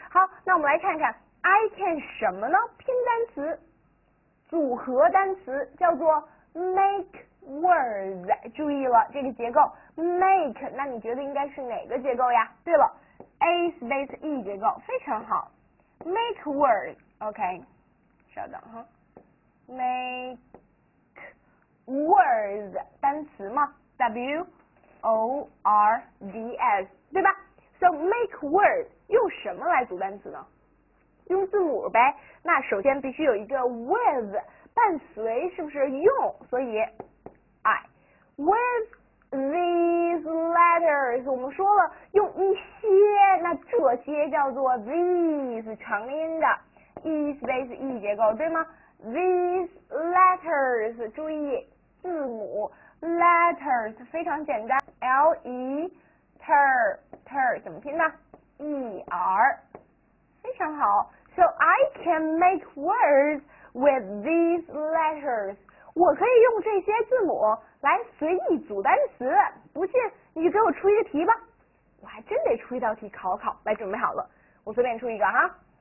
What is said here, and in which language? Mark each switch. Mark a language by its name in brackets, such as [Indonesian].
[Chinese] 好，那我们来看看 I can 什么呢？拼单词，组合单词叫做 make words。注意了这个结构 make， 那你觉得应该是哪个结构呀？对了， A space E 结构，非常好。 [English] make words， OK， [Chinese] 稍等哈。 make words 单词嘛， W O R D S， 对吧？ So make words 用什么来组单词呢？用字母呗。那首先必须有一个 with 伴随，是不是？用，所以I with these letters， 我们说了用一些，那这些叫做 these， 长音的 e space e 结构，对吗？ [English] These letters， [Chinese] 注意字母 letters 非常简单， l e ter ter 怎么拼呢？ e r， 非常好。 [English] So I can make words with these letters， [Chinese] 我可以用这些字母来随意组单词，不信你给我出一个题吧。我还真得出一道题考考，来准备好了，我随便出一个哈。